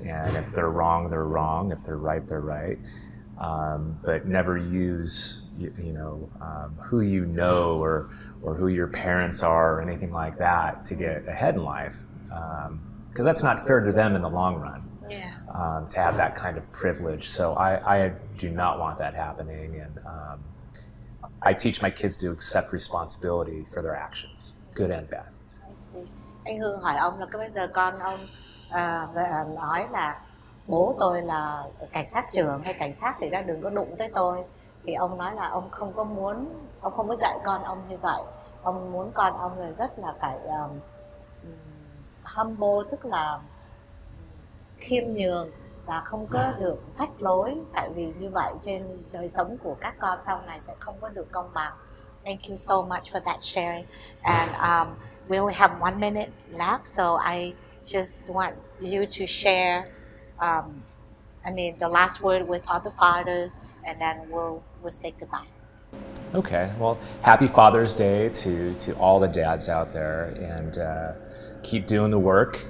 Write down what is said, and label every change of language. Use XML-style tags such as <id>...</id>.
<en>And if they're wrong, they're wrong. If they're right, they're right. But never use, who you know or who your parents are or anything like that to get ahead in life. 'Cause that's not fair to them in the long run. Yeah. To have that kind of privilege. So I do not want that happening. And I teach my kids to accept responsibility for their actions, good and bad.</en> <vi>Anh Hương hỏi ông là có bao giờ con ông nói là bố tôi là cảnh sát trưởng hay cảnh sát thì ra đừng có đụng tới tôi. Thì ông nói là ông không có dạy con ông như vậy. Ông muốn con ông là rất là phải humble, tức là khiêm nhường và không có được phách lối. Tại vì như vậy trên đời sống của các con sau này sẽ không có được công bằng.</vi> <en>Thank you so much for that sharing. And we only have 1 minute left, so I just want you to share the last word with all the fathers, and then we'll say goodbye. Okay, well, happy Father's Day to all the dads out there, and keep doing the work.</en>